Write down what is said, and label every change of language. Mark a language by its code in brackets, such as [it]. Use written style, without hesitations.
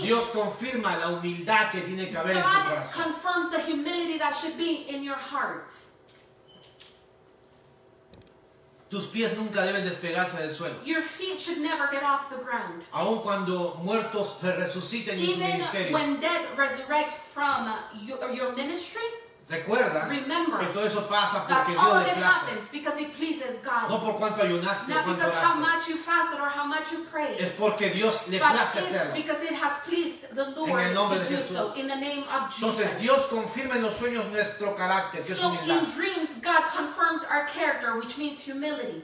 [es] Dios confirma la humildad que tiene que haber [en] God [es] en tu corazón. [en] God confirms the humility that should be in your heart. [es] Tus pies nunca deben despegarse del suelo. [en] Your feet should never get off the ground. [es] Aun cuando muertos se resuciten [en] even [es] en tu ministerio. [en] Even when dead resurrect from your ministry. [es] Recuerda. [en] Remember. [es] Que todo eso pasa porque Dios le [en] place. That all happens because it pleases God. [es] No por cuánto ayunaste o cuánto oraste. [en] Not because how much you fasted or how much you prayed. [es] Es porque Dios le place hacerlo. [en] But because it has pleased the Lord [es] en el nombre [en] to [es] de Jesús. [en] Do so in the name of Jesus. [es] Entonces Dios confirma en los sueños nuestro carácter, que es humildad. [en] So in dreams God confirms our character, which means humility.